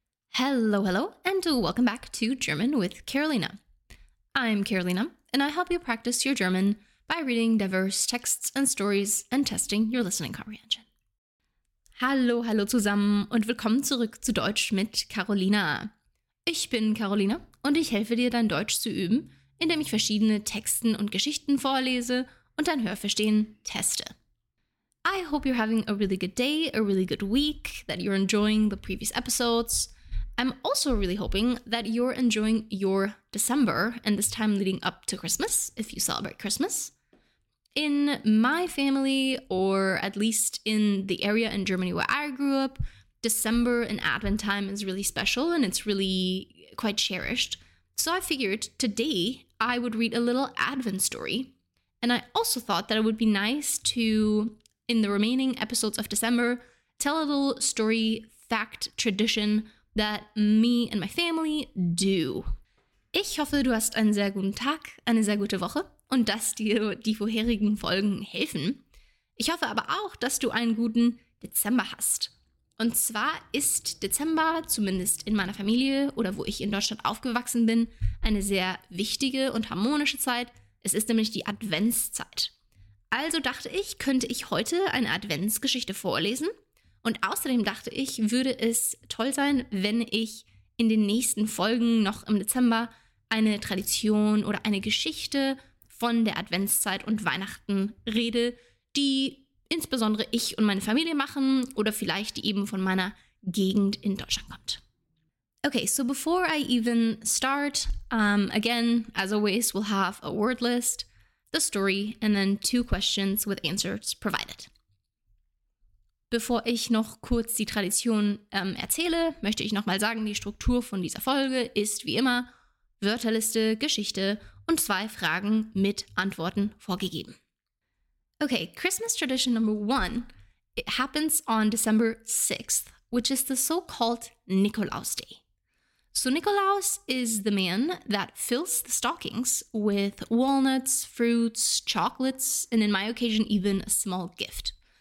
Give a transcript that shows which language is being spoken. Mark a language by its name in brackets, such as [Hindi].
[English] Hello, hello, and welcome back to German with Carolina. I'm Carolina, and I help you practice your German by reading diverse texts and stories and testing your listening comprehension. [German] Hallo, hallo zusammen und willkommen zurück zu Deutsch mit Carolina. Ich bin Carolina und ich helfe dir, dein Deutsch zu üben, indem ich verschiedene Texten und Geschichten vorlese und dein Hörverstehen teste. [English] I hope you're having a really good day, a really good week, that you're enjoying the previous episodes. I'm also really hoping that you're enjoying your December and this time leading up to Christmas, if you celebrate Christmas. In my family, or at least in the area in Germany where I grew up, December and Advent time is really special and it's really quite cherished. So I figured today I would read a little Advent story. And I also thought that it would be nice to, in the remaining episodes of December, tell a little story, fact, tradition that me and my family do. [German] Ich hoffe, du hast einen sehr guten Tag, eine sehr gute Woche und dass dir die vorherigen Folgen helfen. Ich hoffe aber auch, dass du einen guten Dezember hast. Und zwar ist Dezember, zumindest in meiner Familie oder wo ich in Deutschland aufgewachsen bin, eine sehr wichtige und harmonische Zeit. Es ist nämlich die Adventszeit. Also dachte ich, könnte ich heute eine Adventsgeschichte vorlesen? Und außerdem dachte ich, würde es toll sein, wenn ich in den nächsten Folgen noch im Dezember eine Tradition oder eine Geschichte von der Adventszeit und Weihnachten rede, die insbesondere ich und meine Familie machen oder vielleicht die eben von meiner Gegend in Deutschland kommt. [English] Okay, so before I even start, again, as always, we'll have a word list, the story and then two questions with answers provided. [German] Bevor ich noch kurz die Tradition erzähle, möchte ich nochmal sagen, die Struktur von dieser Folge ist wie immer Wörterliste, Geschichte und zwei Fragen mit Antworten vorgegeben. [English] Okay, Christmas tradition number one. It happens on December 6th, which is the so-called Nikolaus Day. So Nikolaus is the man that fills the stockings with walnuts, fruits, chocolates, and in my occasion even a small gift.